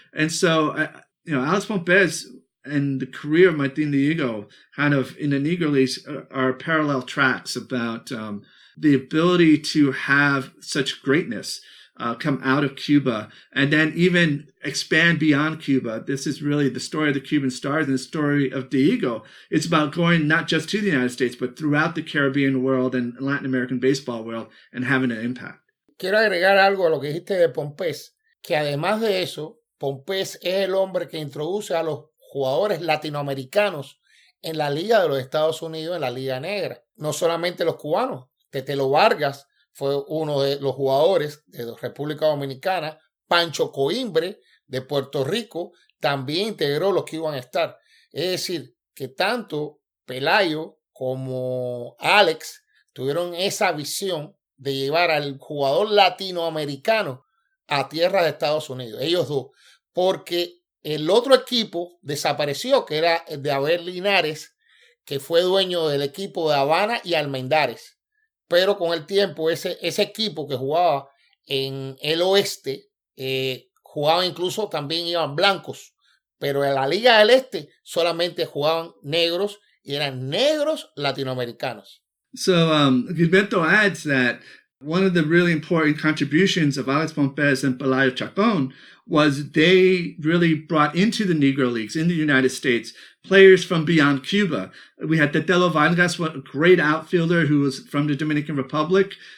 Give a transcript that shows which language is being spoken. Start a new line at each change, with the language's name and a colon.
English: And so, you know, Alex Pompés and the career of Martin Diego kind of in the Negro Leagues are parallel tracks about the ability to have such greatness come out of Cuba and then even expand beyond Cuba. This is really the story of the Cuban Stars and the story of Diego. It's about going not just to the United States, but throughout the Caribbean world and Latin American baseball world and having an impact.
Spanish: Quiero agregar algo a lo que dijiste de Pompés, que además de eso, Pompés es el hombre que introduce a los jugadores latinoamericanos en la Liga de los Estados Unidos, en la Liga Negra. No solamente los cubanos. Tetelo Vargas fue uno de los jugadores de República Dominicana, Pancho Coimbre, de Puerto Rico, también integró los que iban a estar. Es decir, que tanto Pelayo como Alex tuvieron esa visión de llevar al jugador latinoamericano a tierra de Estados Unidos, ellos dos, porque el otro equipo desapareció, que era el de Abel Linares, que fue dueño del equipo de Habana y Almendares. Pero con el tiempo, ese equipo que jugaba en el oeste, jugaba incluso, también iban blancos. Pero en la Liga del Este solamente jugaban negros y eran negros latinoamericanos.
English: So, Gilberto adds that one of the really important contributions of Alex Pompez and Pelayo Chacon was they really brought into the Negro Leagues in the United States players from beyond Cuba. We had Tetelo Vargas, a great outfielder who was from the Dominican Republic.